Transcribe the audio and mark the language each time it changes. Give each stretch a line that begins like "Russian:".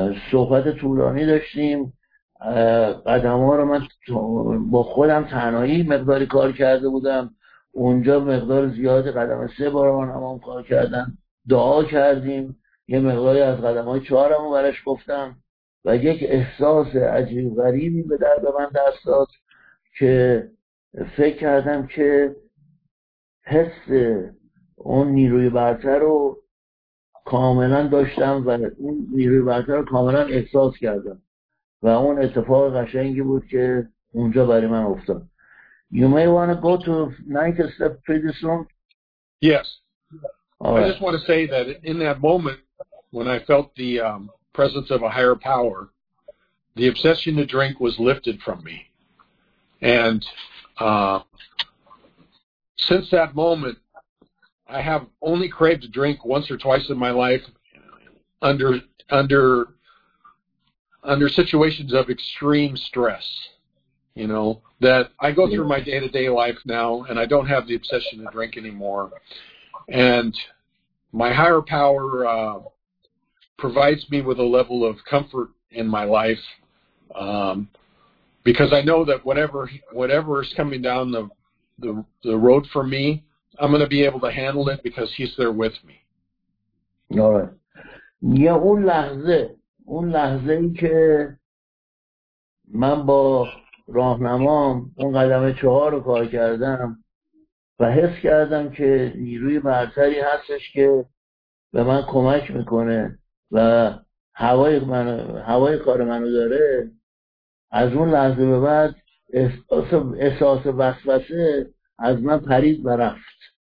Persian: صحبت طولانی داشتیم قدم ها رو من با خودم تنهایی مقداری کار کرده بودم اونجا مقدار زیاد قدم سه بار راهنما کار کردم دعا کردیم یه مقداری از قدم های چهارم رو برش گفتم و یک احساس عجیب غریبی به درد من دست داد که فکر کردم که حس اون نیروی برتر رو کاملا داشتم و اون نیروی برتر رو کاملا احساس کردم و اون اتفاق قشنگی بود که اونجا برای من افتاد.
English: You may want to go to ninth step pretty soon. Yes. Right. I just want to say that in that moment when I felt the presence of a higher power, the obsession to drink was lifted from me. And since that moment, I have only craved to drink once or twice in my life under situations of extreme stress. You know, that I go through my day-to-day life now, and I don't have the obsession to drink anymore. And my higher power provides me with a level of comfort in my life because I know that whatever is coming down the road for me, I'm going to be able to handle it because he's there with me. All right. Yeah,
Persian: اون لحظه که من با راهنمام اون قدم چهار رو کار کردم و حس کردم که نیروی برتری هستش که به من کمک میکنه و هوای کار منو داره، از اون لحظه به بعد احساس وسوسه از من پرید و رفت